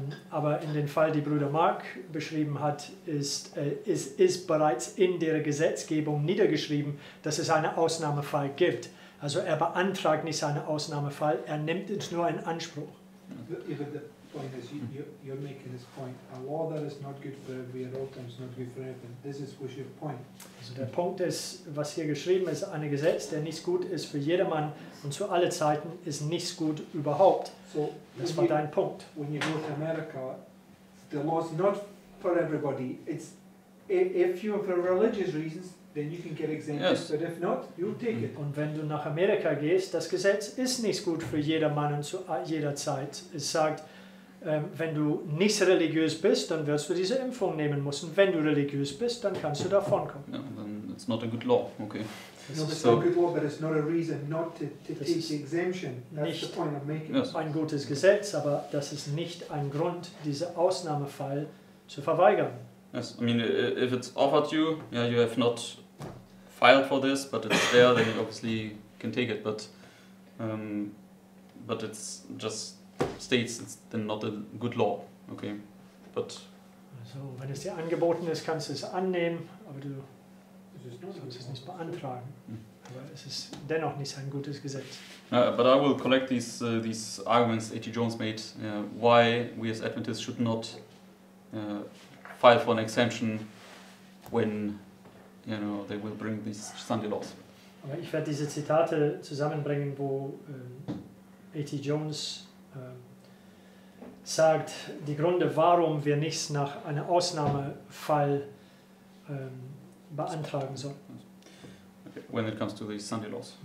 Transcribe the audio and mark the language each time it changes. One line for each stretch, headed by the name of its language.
German: Aber in dem Fall, die Bruder Mark beschrieben hat, ist bereits in der Gesetzgebung niedergeschrieben, dass es einen Ausnahmefall gibt. Also er beantragt nicht seinen Ausnahmefall, er nimmt es nur in Anspruch.
English: Point is you're making this point. A law that is not good for everyone is not good for everyone. This is what your point.
German: Also der Punkt ist, was hier geschrieben ist, ein Gesetz, der nicht gut ist für jedermann und zu alle Zeiten, ist nichts gut überhaupt. So das war dein Punkt.
English: When you go to America, the law is not for everybody. It's if you have religious reasons, then you can get exempted. Yes. But if not, you'll take it.
German: Und wenn du nach Amerika gehst, das Gesetz ist nicht gut für jedermann und zu jeder Zeit. Es sagt, wenn du nicht religiös bist, dann wirst du diese Impfung nehmen müssen. Wenn du religiös bist, dann kannst du davon kommen.
English: Yeah, then it's not a good law, okay. It's not a good law, but it's not a reason not to take the exemption. That's
German: nicht
English: the point I'm making.
German: Ein gutes Gesetz, aber das ist nicht ein Grund, diesen Ausnahmefall zu verweigern.
English: Yes, I mean, if it's offered you, yeah, you have not filed for this, but it's there, then you obviously can take it, but it's just states it's then not a good law, okay, but...
German: Also, wenn es dir angeboten ist, kannst du es annehmen, aber du kannst es nicht beantragen. Aber es ist dennoch nicht ein gutes Gesetz.
English: But I will collect these arguments A.T. Jones made, why we as Adventists should not file for an exemption when, you know, they will bring these Sunday laws.
German: Aber ich werde diese Zitate zusammenbringen, wo A.T. Jones sagt, die Gründe, warum wir nichts nach einem Ausnahmefall beantragen sollen.
English: When it comes to the Sunday laws.